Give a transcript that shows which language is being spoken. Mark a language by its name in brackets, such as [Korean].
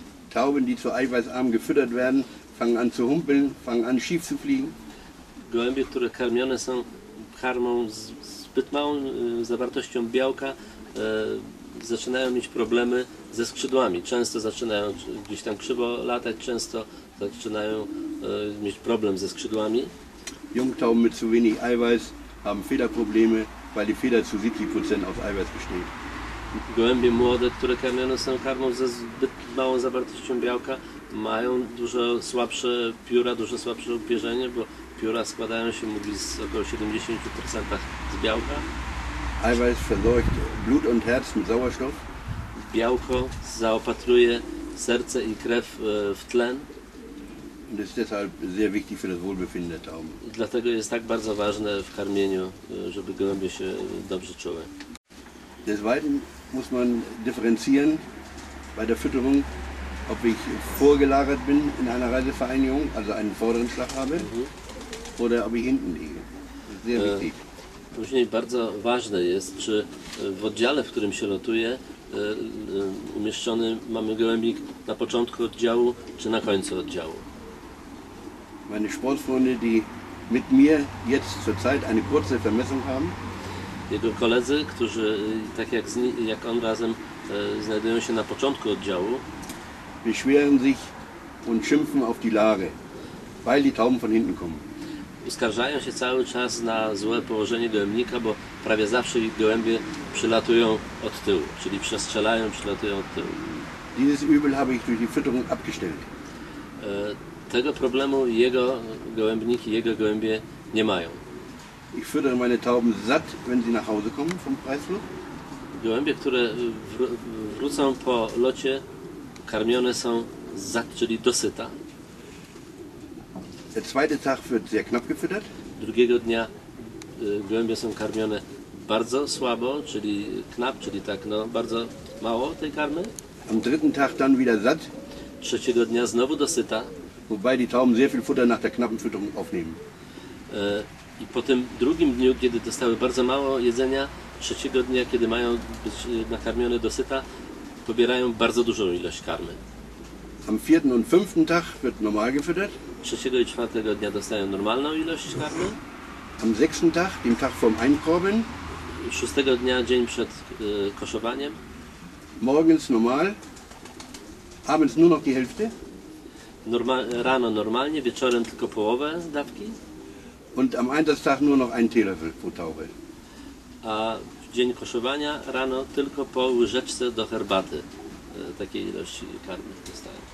[German] Tauben, die zu eiweißarm gefüttert werden, fangen an zu humpeln, fangen an schief zu fliegen. [Polish] Gołębie, które karmione są karmą z zbyt małą zawartością białka, zaczynają mieć problemy ze skrzydłami. Często zaczynają gdzieś tam krzywo latać, często zaczynają mieć problem ze skrzydłami. [German] Jungtauben mit zu wenig Eiweiß haben Federprobleme, weil die Feder zu 70% aus Eiweiß besteht. [Polish] Gołębie młode, które karmione są karmą ze zbyt małą zawartością białka, mają dużo słabsze pióra, dużo słabsze upierzenie, bo pióra składają się, mówi, z około 70% z białka. [German] Eiweiß verseucht Blut und Herz mit Sauerstoff. [Polish] Białko zaopatruje serce i krew w tlen. [German] Und ist deshalb sehr wichtig für das Wohlbefinden der Tauben. [Polish] Dlatego jest tak bardzo ważne w karmieniu, żeby gołębie się dobrze czuły. [German] Des Weiteren muss man differenzieren bei der Fütterung, ob ich vorgelagert bin in einer Reisevereinigung, also einen vorderen Schlag habe, oder ob ich hinten liege. Sehr wichtig. [Polish] Później bardzo ważne jest, czy w oddziale, w którym się lotuje, umieszczony mamy gołębik na początku oddziału, czy na końcu oddziału. [German] Meine Sportfreunde, die mit mir jetzt zurzeit eine kurze Vermessung haben. [Polish] Jego koledzy, którzy tak jak on razem znajdują się na początku oddziału, [German] beschweren sich und schimpfen auf die Lage, weil die Tauben von hinten kommen. [Polish] Uskarżają się cały czas na złe położenie gołębnika, bo prawie zawsze ich gołębie przylatują od tyłu, czyli przestrzelają, przylatują od tyłu. [German] Dieses Übel habe ich durch die Fütterung abgestellt. [Polish] Tego problemu jego gołębniki, jego gołębie nie mają. [German] Ich füttere meine Tauben satt, wenn sie nach Hause kommen vom Preisflug. [Polish] Gołębie, które wrócą po locie, karmione są satt, czyli dosyta. [German] Der zweite Tag wird sehr knapp gefüttert. [Polish] Drugiego dnia gołębie są karmione bardzo słabo, czyli knapp, czyli tak, no, bardzo mało tej karmy. [German] Am dritten Tag dann wieder satt. [Polish] Trzeciego dnia znowu dosyta. [German] Wobei die Tauben sehr viel Futter nach der knappen Fütterung aufnehmen. [Polish] I po tym drugim dniu, kiedy dostały bardzo mało jedzenia, trzeciego dnia, kiedy mają być nakarmione dosyta, pobierają bardzo dużą ilość karmy. [German] Am vierten und fünften Tag wird normal gefüttert. [Polish] Trzeciego i czwartego dnia dostają normalną ilość karmy. [German] Am sechsten Tag, dem Tag vorm Einkorben. [Polish] Szóstego dnia, dzień przed koszowaniem. [German] Morgens normal, abends nur noch die Hälfte. [Polish] Rano normalnie, wieczorem tylko połowę dawki. [German] Und am Einsatztag nur noch ein Teelöffel pro Taube. [Polish] A w dzień koszowania rano tylko po łyżeczce do herbaty takiej ilości karmy dostają.